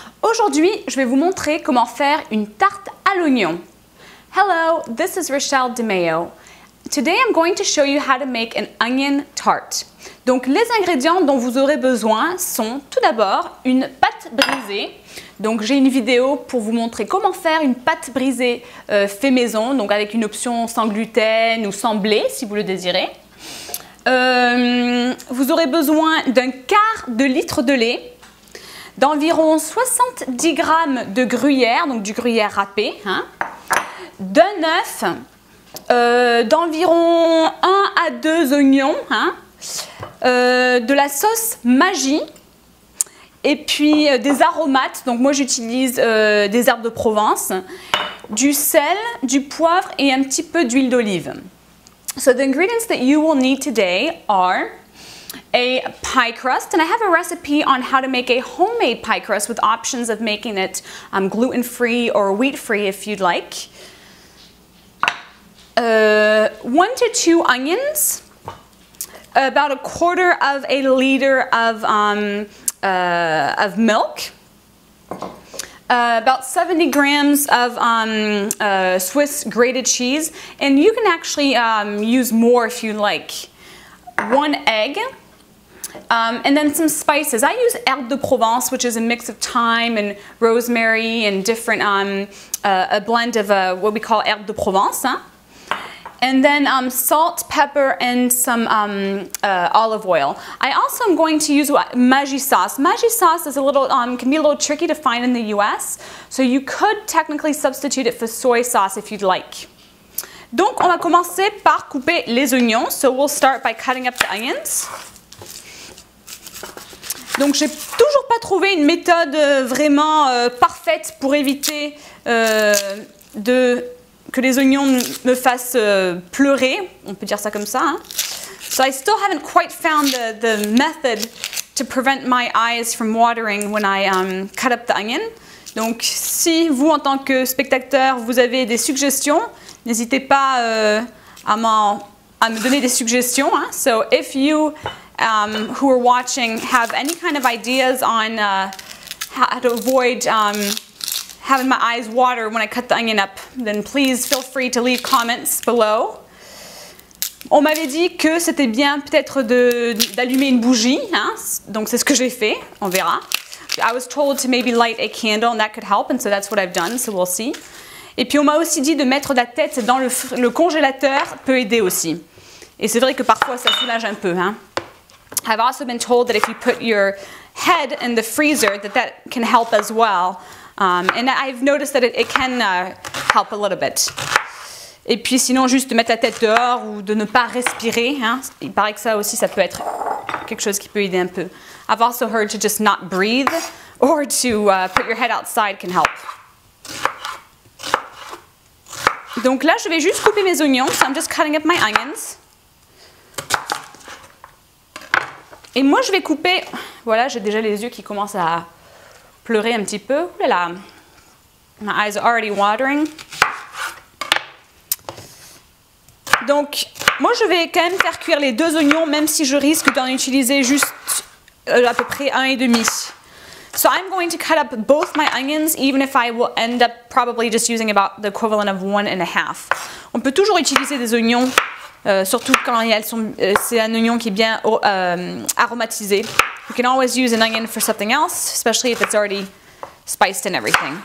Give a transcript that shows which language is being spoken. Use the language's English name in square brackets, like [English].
[French] Aujourd'hui, je vais vous montrer comment faire une tarte à l'oignon. [English] Hello, this is Rachel Demeo. Today, I'm going to show you how to make an onion tart. [French] Donc, les ingrédients dont vous aurez besoin sont tout d'abord une pâte brisée. Donc, j'ai une vidéo pour vous montrer comment faire une pâte brisée fait maison, donc avec une option sans gluten ou sans blé, si vous le désirez. Vous aurez besoin d'un quart de litre de lait, d'environ 70 g de gruyère, donc du gruyère râpé, hein, d'un œuf, d'environ 1 à 2 oignons, hein, de la sauce magie, et puis des aromates, donc moi j'utilise des herbes de Provence, du sel, du poivre et un petit peu d'huile d'olive. [English] So the ingredients that you will need today are a pie crust, and I have a recipe on how to make a homemade pie crust with options of making it gluten-free or wheat-free if you'd like. 1 to 2 onions, about a quarter of a liter of milk, about 70 grams of Swiss grated cheese, and you can actually use more if you like. 1 egg, and then some spices. I use herbes de Provence, which is a mix of thyme and rosemary and different, a blend of what we call herbes de Provence. Hein? And then salt, pepper, and some olive oil. I also am going to use Maggi sauce. Maggi sauce is a little can be a little tricky to find in the U.S. So you could technically substitute it for soy sauce if you'd like. [French] Donc, on va commencer par couper les oignons. [English] So we'll start by cutting up the onions. [French] Donc, j'ai toujours pas trouvé une méthode vraiment parfaite pour éviter de que les oignons me fassent pleurer, on peut dire ça comme ça. Hein? [English] So I still haven't quite found the method to prevent my eyes from watering when I cut up the onion. [French] Donc si vous, en tant que spectateur, vous avez des suggestions, n'hésitez pas à me donner des suggestions. Hein? [English] So if you who are watching have any kind of ideas on how to avoid having my eyes water when I cut the onion up, then please feel free to leave comments below. [French] On m'avait dit que c'était bien peut-être d'allumer une bougie, hein? Donc c'est ce que j'ai fait, on verra. [English] I was told to maybe light a candle and that could help, and so that's what I've done, so we'll see. [French] Et puis on m'a aussi dit de mettre la tête dans le congélateur peut aider aussi. Et c'est vrai que parfois ça soulage un peu, hein? [English] I've also been told that if you put your head in the freezer, that that can help as well. And I've noticed that it can help a little bit. [French] Et puis sinon, juste de mettre la tête dehors ou de ne pas respirer, hein? Il paraît que ça aussi, ça peut être quelque chose qui peut aider un peu. [English] I've also heard to just not breathe or to put your head outside can help. [French] Donc là, je vais juste couper mes oignons. [English] So I'm just cutting up my onions. [French] Et moi, je vais couper... Voilà, j'ai déjà les yeux qui commencent à... pleurer un petit peu. Ouh là là. [English] My eyes are already watering. [French] Donc, moi je vais quand même faire cuire les deux oignons, même si je risque d'en utiliser juste à peu près un et demi. [English] So I'm going to cut up both my onions, even if I will end up probably just using about the equivalent of 1.5. [French] On peut toujours utiliser des oignons, surtout quand c'est un oignon qui est bien aromatisé. [English] You can always use an onion for something else, especially if it's already spiced and everything.